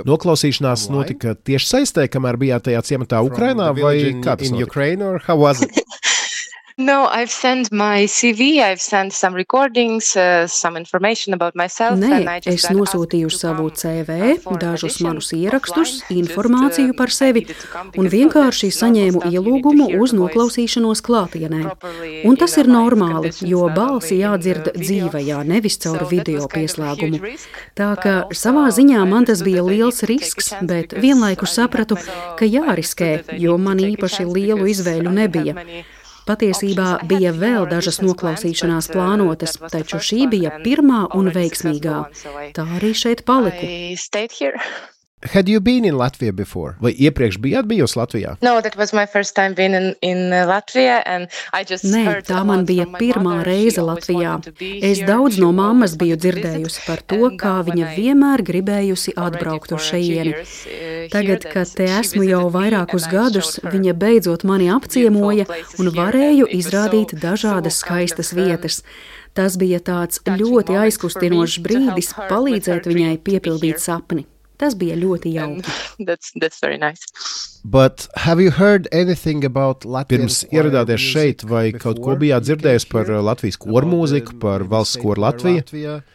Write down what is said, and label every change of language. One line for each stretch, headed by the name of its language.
Latvian: Noklausīšanās notika tieši saistē, kamēr bijāt tajā ciematā Ukrainā vai kāds
English: in Ukraine or how was it? No, I've sent my CV, I've sent some recordings, some information about myself.
Latvian: Nē, es nosūtīju savu CV, dažus manus ierakstus, informāciju par sevi, un vienkārši saņēmu ielūgumu uz noklausīšanos klātienē. Un tas ir normāli, jo balsi jādzird dzīvajā, nevis caur video pieslēgumu. Tā ka savā ziņā man tas bija liels risks, bet vienlaikus sapratu, ka jāriskē, jo man īpaši lielu izvēļu nebija. Patiesībā bija vēl dažas noklausīšanās plānotas, taču šī bija pirmā un veiksmīgā. Tā arī šeit paliku.
English: Had you been in Latvia before?
Latvian: Vai iepriekš bijāt bijusi Latvijā?
English: No, that was my first time being in Latvia and I just
Latvian: Nē,
English: heard
Latvian: tā man bija pirmā reize Latvijā. Es daudz no mammas biju dzirdējusi par to, kā viņa vienmēr gribējusi atbraukt uz šejieni. Tagad, kad te esmu jau vairākus gadus, viņa beidzot mani apciemoja un varēju izrādīt dažādas skaistas vietas. Tas bija tāds ļoti aizkustinošs brīdis palīdzēt viņai piepildīt sapni. Tas bija ļoti jauki.
English: That's very nice. But have you heard anything about Latvian?
Latvian: Pirms ieradāties šeit, vai kaut ko bijāt dzirdējis par Latvijas kora mūziku, par valsts kora Latviju?